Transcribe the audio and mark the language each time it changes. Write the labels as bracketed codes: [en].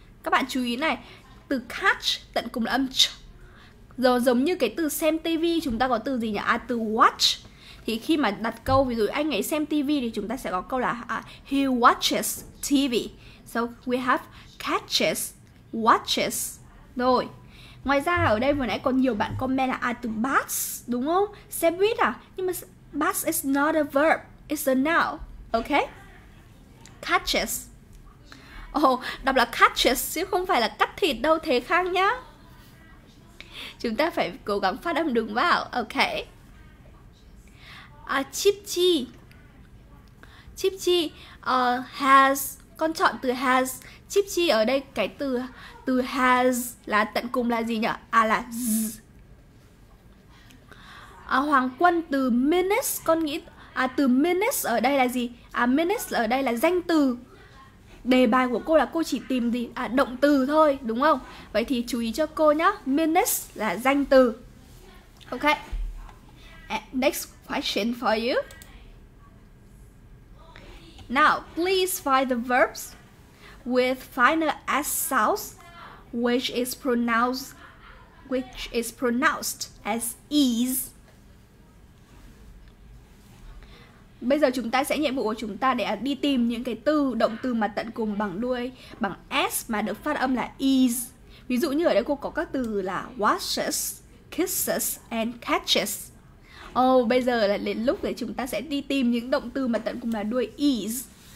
[vi] Các bạn chú ý này, từ catch tận cùng là âm ch. Rồi giống như cái từ xem tivi, chúng ta có từ gì nhỉ? À, từ watch. Thì khi mà đặt câu, ví dụ anh ấy xem TV thì chúng ta sẽ có câu là [en] he watches TV. So we have catches, watches. [vi] Rồi, ngoài ra ở đây vừa nãy còn nhiều bạn comment là từ bus, đúng không? Xe buýt à? Nhưng mà [en] bus is not a verb, it's a noun. Ok? Catches. [vi] đọc là cactus chứ không phải là cắt thịt đâu Thế Khang nhá. Chúng ta phải cố gắng phát âm đúng vào. [en] Ok. Chip chi. [vi] Chip chi has, con chọn từ has. Chip chi ở đây cái từ từ has là tận cùng là gì nhỉ? À là z. Hoàng quân từ menace, con nghĩ từ menace ở đây là gì? Menace ở đây là danh từ. Đề bài của cô là cô chỉ tìm gì? Động từ thôi, đúng không? Vậy thì chú ý cho cô nhá, menace là danh từ. [en] Ok. Next question for you. Now, please find the verbs with final s sounds, which is pronounced as ease. [vi] Bây giờ chúng ta sẽ nhiệm vụ của chúng ta để đi tìm những cái từ động từ mà tận cùng bằng đuôi bằng s mà được phát âm là ease. Ví dụ như ở đây cô có các từ là [en] washes, kisses and catches. [vi] Bây giờ là đến lúc để chúng ta sẽ đi tìm những động từ mà tận cùng là đuôi ease.